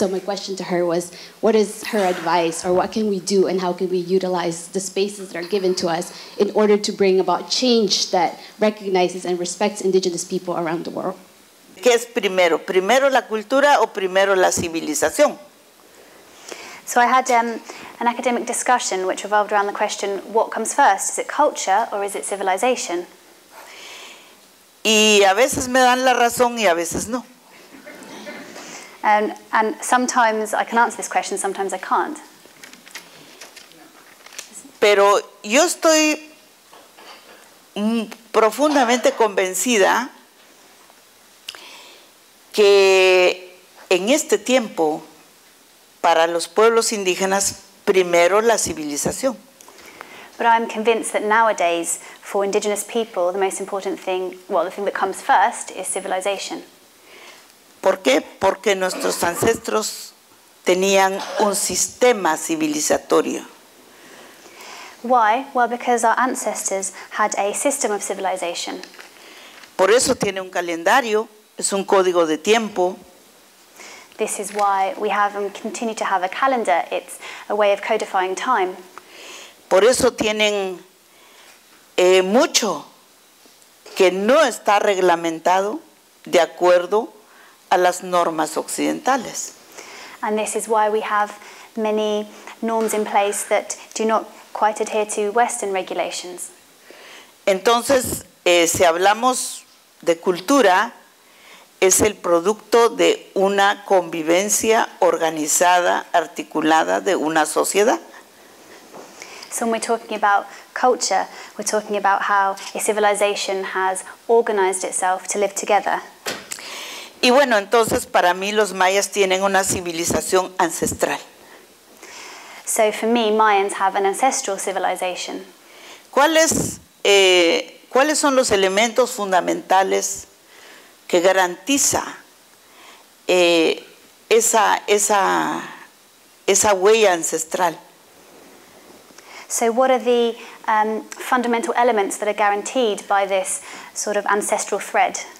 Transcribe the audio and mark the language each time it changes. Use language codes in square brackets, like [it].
[en] So my question to her was, what is her advice, or what can we do, and how can we utilize the spaces that are given to us in order to bring about change that recognizes and respects indigenous people around the world? [es] ¿Qué es primero? ¿Primero la cultura o primero la civilización? [en] So I had an academic discussion which revolved around the question, what comes first? Is it culture or is it civilization? [es] Y a veces me dan la razón y a veces no. [en] And sometimes I can answer this question, sometimes I can't. [es] Pero yo estoy profundamente convencida que en este tiempo, para los pueblos indígenas, primero la civilización. [en] But I'm convinced that nowadays, for indigenous people, the most important thing, well, the thing that comes first, is civilization. [es] ¿Por qué? Porque nuestros ancestros tenían un sistema civilizatorio. [en] Why? Well, because our ancestors had a system of civilization. [es] Por eso tiene un calendario, es un código de tiempo. [en] This is why we have and continue to have a calendar. It's a way of codifying time. [es] Por eso tienen mucho que no está reglamentado de acuerdo a las normas occidentales. [en] And this is why we have many norms in place that do not quite adhere to Western regulations. [es] Entonces, si hablamos de cultura, es el producto de una convivencia organizada, articulada de una sociedad. [en] So when we're talking about culture, we're talking about how a civilization has organized itself to live together. [es] Y bueno, entonces para mí los mayas tienen una civilización ancestral. [en] So for me, Mayans have an ancestral civilization. [es] ¿Cuáles son los elementos fundamentales que garantiza esa huella ancestral? [en] So what are the fundamental elements that are guaranteed by this sort of ancestral thread?